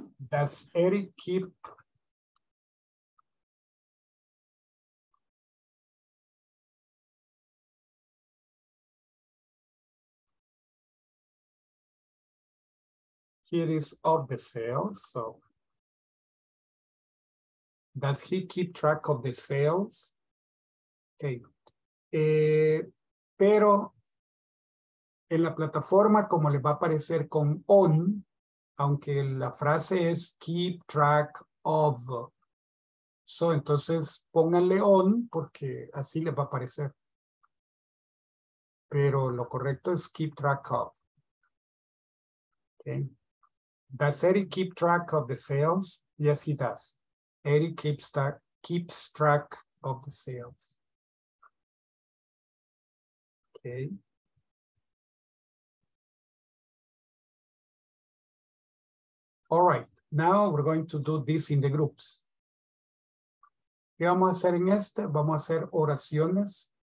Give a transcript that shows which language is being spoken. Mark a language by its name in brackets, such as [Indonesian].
[English] Does Eric keep here is of the sales, so does he keep track of the sales? Okay. [Spanish] Pero en la plataforma, como les va a aparecer con on, aunque la frase es [English] keep track of. [Spanish] So, entonces pónganle on porque así les va a aparecer. Pero lo correcto es [English] keep track of. [Spanish] Okay. [English] Does Eric keep track of the sales? Yes, he does. Eric keeps track of the sales. Okay. All right, now we're going to do this in the groups. [Spanish] ¿Qué vamos a hacer en este? Vamos a hacer oraciones